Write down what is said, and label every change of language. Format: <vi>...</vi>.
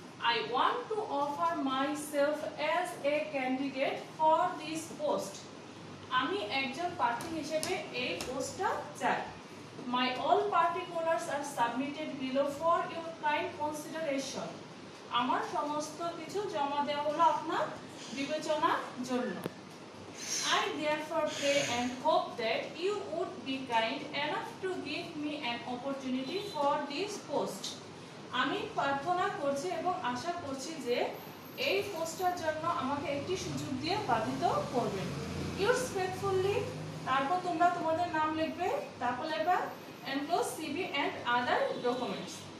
<en>I want to offer myself as a candidate for this post,</en> <bn>আমি একজন প্রার্থী হিসেবে এই পোস্টটা চাই।</bn> <en>my all particulars are submitted below for your kind consideration,</en> <bn>আমার সমস্ত কিছু জমা দেওয়া হলো আপনার বিবেচনার জন্য।</bn> <en>I therefore pray and hope that you would be kind enough to give me an opportunity for this post.</en> <bn>আমি প্রার্থনা করছি এবং আশা করছি যে এই পোস্টটার জন্য আমাকে একটি সুযোগ দিয়ে বাধিত করবেন।</bn> <en>Yours faithfully,</en> <bn>তারপর তোমরা তোমাদের নাম লিখবে, তারপর লিখবে</bn> <en>enclosed CV and other documents।</en>